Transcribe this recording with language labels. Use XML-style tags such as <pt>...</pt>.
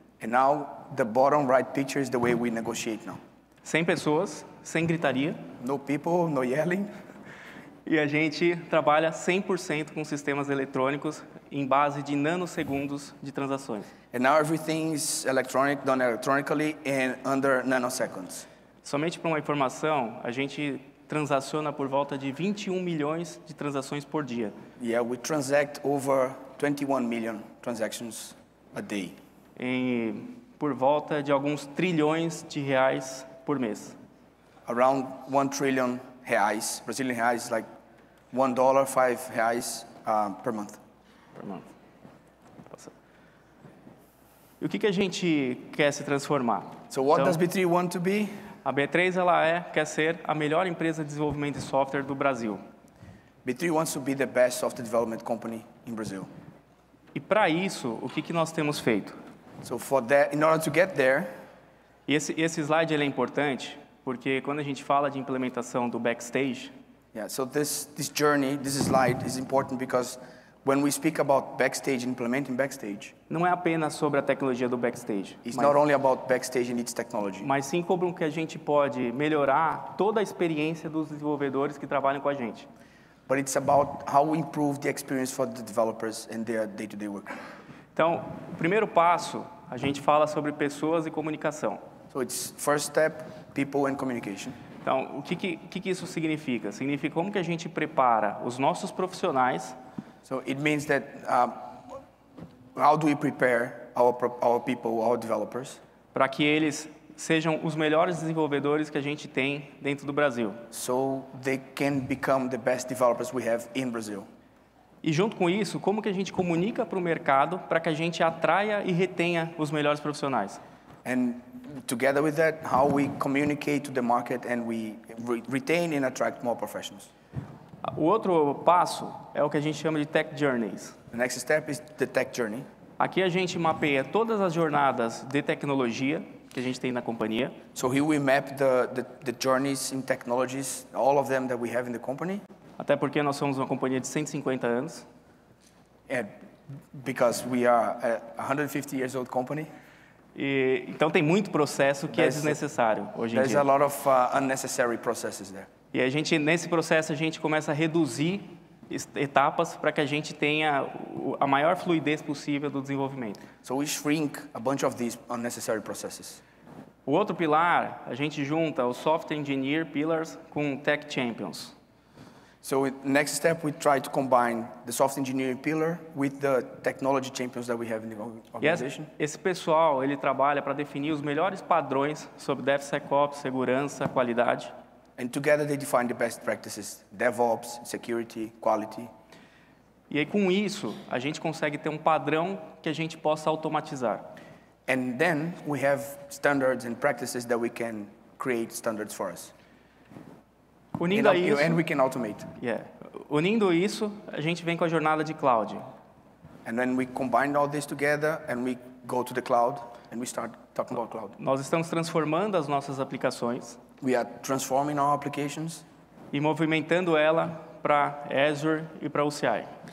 <en>And now, the bottom right picture is the way we negotiate now.</en> <pt>Sem pessoas, sem gritaria.</pt> <en>No people, no yelling.</en> <pt>E a gente trabalha 100% com sistemas eletrônicos em base de nanosegundos de transações.</pt> <en>And now everything is electronic, done electronically and under nanoseconds.</en> <pt>Somente para uma informação, a gente transaciona por volta de 21 milhões de transações por dia.</pt> <en>Yeah, we transact over 21 million transactions a day.</en> <pt>por volta de alguns trilhões de reais por mês.</pt> <en>Around 1 trillion reais, Brazilian reais, like $1.05 per month. Per month.</en> <pt>E o que a gente quer se transformar?</pt> <en>So what does B3 want to be?</en> <pt>A B3 quer ser a melhor empresa de desenvolvimento de software do Brasil.</pt> <en>B3 wants to be the best software development company in Brazil.</en> <pt>E para isso, o que nós temos feito?</pt> <en>So for that, in order to get there,</en> <pt>esse slide é importante porque quando a gente fala de implementação do backstage,</pt> <en>yeah, so this journey, this slide is important because when we speak about backstage, implementing backstage,</en> <pt>não é apenas sobre a tecnologia do backstage.</pt> <en>It's not only about backstage and its technology.</en> <pt>Mas sim como que a gente pode melhorar toda a experiência dos desenvolvedores que trabalham com a gente.</pt> <en>But it's about how we improve the experience for the developers and their day-to-day work.</en> <pt>Então, o primeiro passo, a gente fala sobre pessoas e comunicação.</pt> <en>So it's first step, people and communication.</en> <pt>Então, o que isso significa? Significa como que a gente prepara os nossos profissionais.</pt> <en>So it means that how do we prepare our people, our developers,</en> <pt>para que eles sejam os melhores desenvolvedores que a gente tem dentro do Brasil.</pt> <en>So they can become the best developers we have in Brazil.</en> <pt>E junto com isso, como que a gente comunica para o mercado para que a gente atraia e retenha os melhores profissionais?</pt> <en>And together with that, how we communicate to the market and we retain and attract more professionals.</en> <pt>O outro passo é o que a gente chama de tech journeys.</pt> <en>The next step is the tech journey.</en> <pt>Aqui a gente mapeia todas as jornadas de tecnologia que a gente tem na companhia.</pt> <en>So here we map the journeys in technologies, all of them that we have in the company.</en> <pt>Até porque nós somos uma companhia de 150 anos.</pt> <en>And because we are a 150 years old company.</en> <pt>E, então tem muito processo que é desnecessário hoje em dia.</pt> <en>There's a lot of unnecessary processes there.</en> <pt>E a gente, nesse processo, a gente começa a reduzir etapas para que a gente tenha a maior fluidez possível do desenvolvimento.</pt> <en>So we shrink a bunch of these unnecessary processes.</en> <pt>O outro pilar, a gente junta os software engineer pillars com tech champions.</pt> <en>So next step, we try to combine the software engineer pillar with the technology champions that we have in the organization.</en> <pt>Esse pessoal, ele trabalha para definir os melhores padrões sobre DevSecOps, segurança, qualidade.</pt> <en>And together they define the best practices, DevOps, security, quality.</en> <pt>E aí com isso, a gente consegue ter um padrão que a gente possa automatizar.</pt> <en>And then we have standards and practices that we can create standards for us.</en> <pt>Unindo</pt> <en>and,</en> <pt>isso,</pt> <en>and we can automate. Yeah.</en> <pt>Unindo isso, a gente vem com a jornada de cloud.</pt> <en>And then we combine all this together and we go to the cloud and we start talking about cloud.</en> <pt>Nós estamos transformando as nossas aplicações.</pt> <en>We are transforming our applications.</en> <pt>E movimentando ela para Azure e para OCI.</pt>